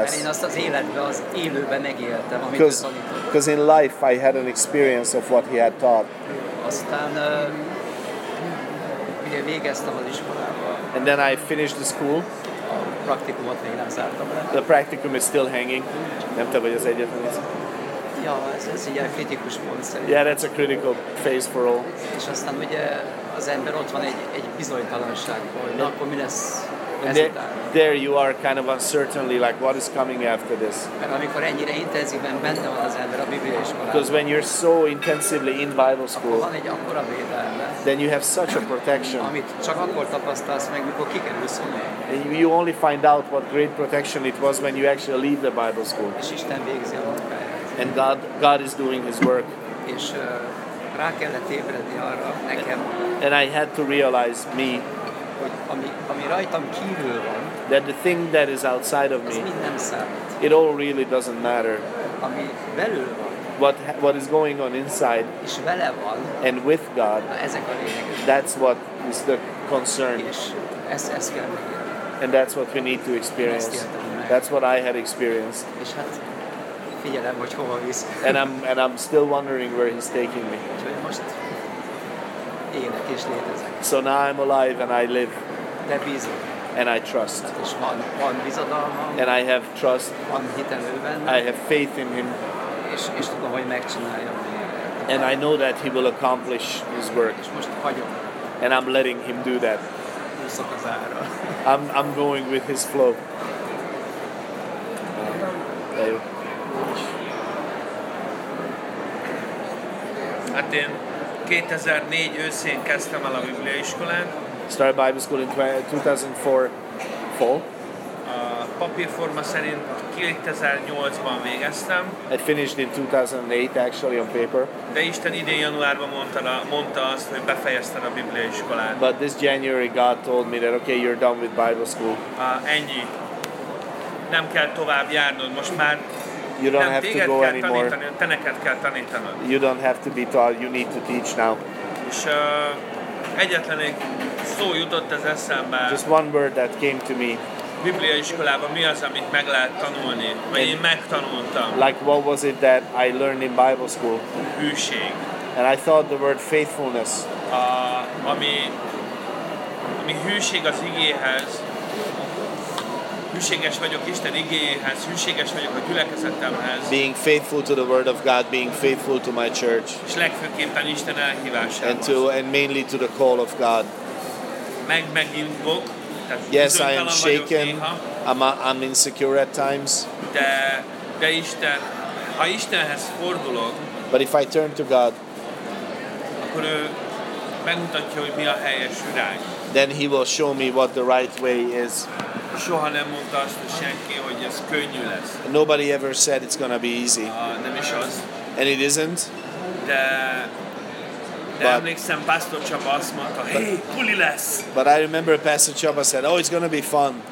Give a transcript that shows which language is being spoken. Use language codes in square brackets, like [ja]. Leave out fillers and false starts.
[hu] Mert én azt az életben, az élőben megéltem, amit ő tanított. [en] Because in life I had an experience of what he had taught. [hu] Aztán, ugye végeztem az iskolába. [en] And then I finished the school. [hu] A praktikumot még nem zártam le. [en] The practicum is still hanging. [hu] Nem te vagy az egyetlen. Ja, ez egy ilyen kritikus pont szerint. [en] Yeah, that's a critical phase for all. [hu] És aztán ugye az ember ott van egy bizonytalanságban, hogy akkor mi lesz. [en] And there you are kind of uncertainly, like what is coming after this? Because when you're so intensively in Bible school, then you have such a protection. And you only find out what great protection it was when you actually leave the Bible school. And God is doing his work. And I had to realize me. [hu] Ami rajtam kívül van, [en] that the thing that is outside of me, [hu] mind nem számít. [en] It all really doesn't matter. [hu] Ami belül van, [en] what is going on inside, [hu] és vele van, [en] and with God, [hu] ezek a lényeg. [en] That's what is the concern. [hu] És ez kell meg. [en] And that's what we need to experience. That's what I had experienced. [hu] És hát figyelem, hogy hova visz. [en] And I'm still wondering where he's taking me. [hu] Élek és létezek. [en] So now I'm alive and I live. [hu] De bízom. [en] And I trust. [hu] Hát és van bizodalmam. [en] And I have trust. [hu] Van hitem ő benne. [en] I have faith in him. [hu] És tudom, hogy megcsinálja. [en] And I know that he will accomplish his work. [hu] És most hagyom. [en] And I'm letting him do that. [hu] Úszok az ára. [en] I'm going with his flow. [hu] De jó. Hát én 2004 őszén kezdtem el a Biblia iskolán. [en] Started Bible school in 2004 fall. [hu] A papírforma szerint 2008-ban végeztem. [en] I finished in 2008 actually on paper. [hu] De Isten idén januárban mondta azt, hogy befejezted a Biblia iskolát. [en] But this January God told me that okay, you're done with Bible school. [hu] Ennyi. Nem kell tovább járnod, most már. [en] You don't have to go anymore. [hu] Te neked kell tanítanod. [en] You don't have to be taught. You need to teach now. [hu] És egyetlen egy szó jutott az eszembe. [en] Just one word that came to me. [hu] Biblia iskolában mi az, amit meg lehet tanulni, vagy én megtanultam. [en] Like what was it that I learned in Bible school? [hu] Hűség. [en] And I thought the word faithfulness. [hu] Ami hűség az igéhez. Hűséges vagyok Isten igéhez, hűséges vagyok a gyülekezetemhez. [en] Being faithful to the word of God, being faithful to my church. [hu] És legfőképpen Isten elhívásához. [en] And to, and mainly to the call of God. [hu] Megindulok. [en] Yes, I am shaken. I'm insecure at times. [hu] De Isten, ha Istenhez fordulok. [en] But if I turn to God, [hu] akkor ő megmutatja, hogy mi a helyes irány. [en] Then he will show me what the right way is. [hu] Soha nem mondta azt senki, hogy ez könnyű lesz. [en] Nobody ever said it's gonna be easy. [hu] Nem is az. [en] And it isn't. [hu] De emlékszem, Pastor Csaba azt mondta, hey, puli lesz. [en] But I remember Pastor Csaba said, oh, it's gonna be fun.